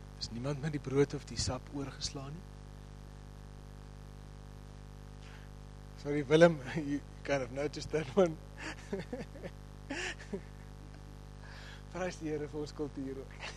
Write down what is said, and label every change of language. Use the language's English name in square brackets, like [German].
[Afrikaans] niemand met die brood of die sap oorgeslaan nie. [English] Sorry Willem, you kind of noticed that one. [Afrikaans] Prys die Here vir ons kultuur ook.